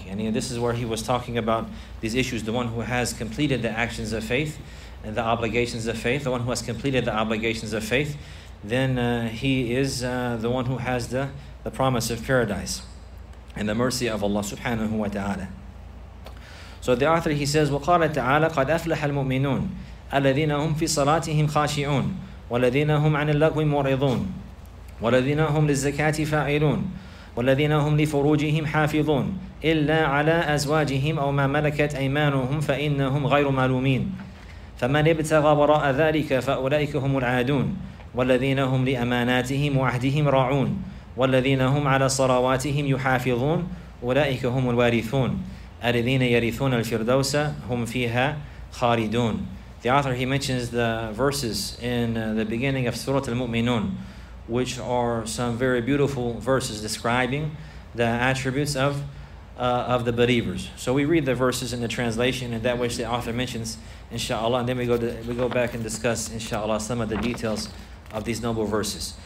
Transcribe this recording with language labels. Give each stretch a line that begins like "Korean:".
English: And this is where he was talking about these issues. The one who has completed the actions of faith and the obligations of faith. The one who has completed the obligations of faith. Then he is the one who has the promise of paradise and the mercy of Allah subhanahu wa ta'ala. So the author, he says,
Arabic: وَقَالَ تَعَالَى قَدْ أَفْلَحَ الْمُؤْمِنُونَ الذين هم في صلاتهم خاشعون والذين هم عن اللغو معرضون والذين هم للزكاة فاعلون والذين هم لفروجهم حافظون إلا على أزواجهم أو ما ملكت أيمانهم فإنهم غير ملومين فمن ابتغى وراء ذلك فأولئك هم العادون والذين هم لأماناتهم وعهدهم راعون والذين هم على صلواتهم يحافظون أولئك هم الوارثون الذين يرثون الفردوس هم فيها خالدون.
English: The author, he mentions the verses in the beginning of Surah Al-Mu'minun, which are some very beautiful verses describing the attributes of the believers. So we read the verses in the translation and that which the author mentions, inshallah, and then we go back and discuss, inshallah, some of the details of these noble verses.